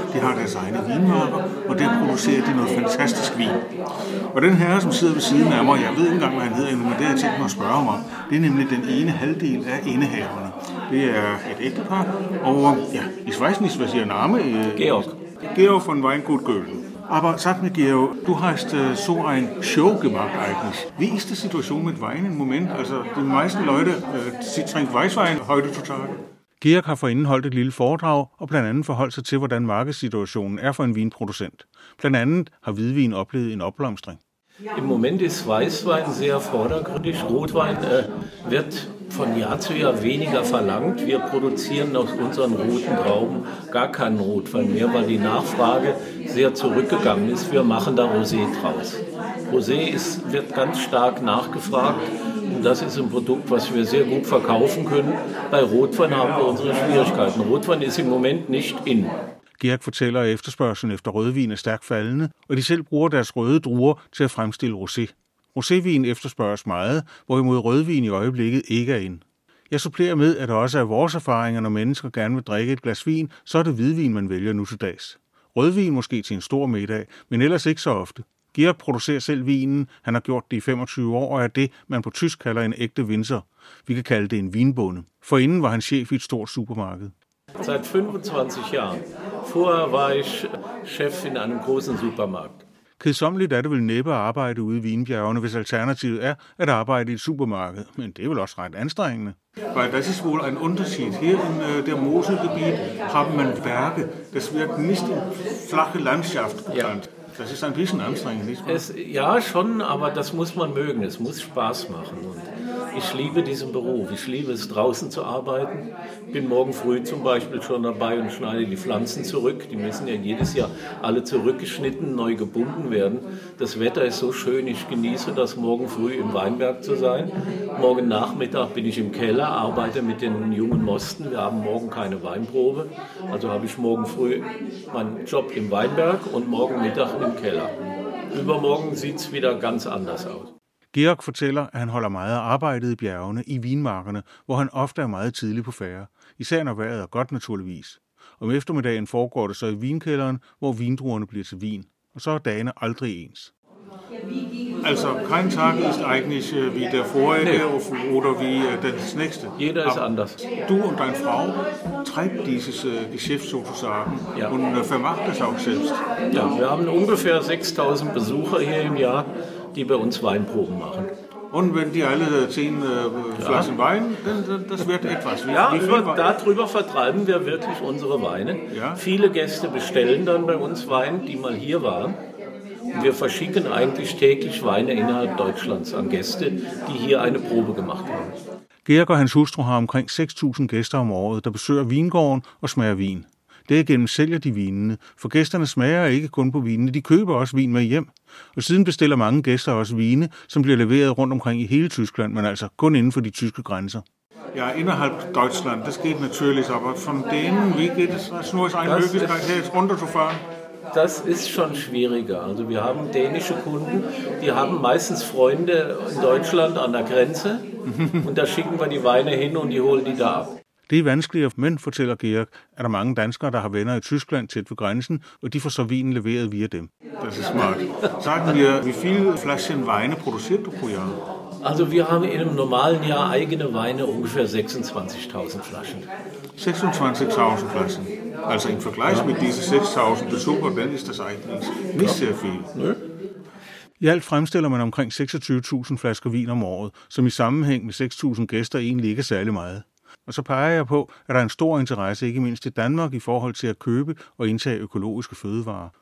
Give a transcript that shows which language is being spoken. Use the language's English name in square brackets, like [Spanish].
[Danish] De har deres egne vinmarker, og der producerer de noget fantastisk vin. Og den herre, som sidder ved siden af mig, jeg ved ikke engang, hvad han hedder, men det har jeg tænkt mig at spørge mig. Det er nemlig den ene halvdel af indehaverne. Det er et ægtepar, og ja, i Schweiznis, hvad siger Name? Georg. [German] Georg von Weingut Gølen. Aber sag mir, Georg, du hast so ein Show gemacht eigentlich. Wie ist die Situation mit Wein im Moment? Also die meisten Leute, sie trinken Weißwein heute zu Tage. [Danish] Georg har forinden holdt et lille foredrag og blandt andet forholdt sig til, hvordan markedssituationen er for en vinproducent. Blandt andet har hvidvin oplevet en opblomstring. [German] Im Moment ist Weißwein sehr vordergründig. Rotwein wird von Jahr zu Jahr weniger verlangt. Wir produzieren aus unseren roten Trauben gar keinen Rotwein mehr, weil die Nachfrage sehr zurückgegangen ist. Wir machen da Rosé draus. Rosé wird ganz stark nachgefragt und das ist ein Produkt, was wir sehr gut verkaufen können. Bei Rotwein haben wir unsere Schwierigkeiten. Rotwein ist im Moment nicht in. [Danish] Georg fortæller, at efterspørgselen efter rødvin er stærkt faldende, og de selv bruger deres røde druer til at fremstille rosé. Rosévin efterspørges meget, hvorimod rødvin i øjeblikket ikke er ind. Jeg supplerer med, at også af vores erfaringer, når mennesker gerne vil drikke et glas vin, så er det hvidvin, man vælger nu til dags. Rødvin måske til en stor middag, men ellers ikke så ofte. Georg producerer selv vinen, han har gjort det i 25 år og er det, man på tysk kalder en ægte winzer. Vi kan kalde det en vinbonde. Forinden var han chef i et stort supermarked. [German] seit 25 Jahren. Vorher war ich Chef in einem großen Supermarkt. [Danish] Kedsommeligt er det vel næppe at arbejde ude i vinbjergene, hvis alternativet er at arbejde i et supermarked. Men det er vel også ret anstrengende. [German] Bei das ist wohl ein Unterschied. Hier in der Moselgebiet haben man Berge. Das wird nicht in flache Landschaft genannt. Das ist ein bisschen anstrengend, nicht wahr? Ja, schon, aber das muss man mögen. Es muss Spaß machen. Und ich liebe diesen Beruf. Ich liebe es, draußen zu arbeiten. Bin morgen früh zum Beispiel schon dabei und schneide die Pflanzen zurück. Die müssen ja jedes Jahr alle zurückgeschnitten, neu gebunden werden. Das Wetter ist so schön. Ich genieße das, morgen früh im Weinberg zu sein. Morgen Nachmittag bin ich im Keller, arbeite mit den jungen Mosten. Wir haben morgen keine Weinprobe. Also habe ich morgen früh meinen Job im Weinberg und morgen Mittag im Keller. Übermorgen sieht es wieder ganz anders aus. [Danish] Georg fortæller, at han holder meget af arbejdet i bjergene, i vinmarkerne, hvor han ofte er meget tidlig på færre. Især når vejret er godt naturligvis. Om eftermiddagen foregår det så i vinkælderen, hvor vindruerne bliver til vin. Og så er dagene aldrig ens. [German] Altså, kein Tag ist eigentlich wie der vorige, oder wie das nächste. Jeder ist anders. Du und dein Frau treibt dieses Geschäft sozusagen und vermacht es auch selbst. Ja, wir haben ungefähr 6.000 Besucher hier im Jahr, die bei uns Weinproben machen. Und wenn die alle 10 Flaschen Wein, dann das wird etwas. Darüber vertreiben wir wirklich unsere Weine. Ja. Viele Gäste bestellen dann bei uns Wein, die mal hier waren. Und wir verschicken eigentlich täglich Weine innerhalb Deutschlands an Gäste, die hier eine Probe gemacht haben. [Danish] Georg og hans hustru har omkring 6.000 gæster om året, der besøger vingården og smager vin. Derigennem sælger de vinene, for gæsterne smager ikke kun på vinene, de køber også vin med hjem. Og siden bestiller mange gæster også vine, som bliver leveret rundt omkring i hele Tyskland, men altså kun inden for de tyske grænser. [German] Ja, innerhalb Deutschland, das geht natürlich, aber von denen, wie geht es? Das nur ist eine Möglichkeit, hier jetzt runterzufahren. Das ist schon schwieriger. Also wir haben dänische Kunden, die haben meistens Freunde in Deutschland an der Grenze und da schicken wir die Weine hin und die holen die da ab. [Danish] Det er vanskeligere, men, fortæller Georg, er der mange danskere, der har venner i Tyskland tæt ved grænsen, og de får så vinen leveret via dem. Det er smart. [German] Sag mir, wie viele Flaschen Weine produzierst du pro Jahr? Also wir haben in einem normalen Jahr eigene Weine ungefähr 26.000 Flaschen. 26.000 Flaschen. Also im Vergleich mit diesen 6.000 Besucher, dann ist das eigentlich nicht sehr viel. [Danish] I alt fremstiller man omkring 26.000 flasker vin om året, som i sammenhæng med 6.000 gæster egentlig ikke er særlig meget. Og så peger jeg på, at der er en stor interesse, ikke mindst i Danmark, i forhold til at købe og indtage økologiske fødevarer.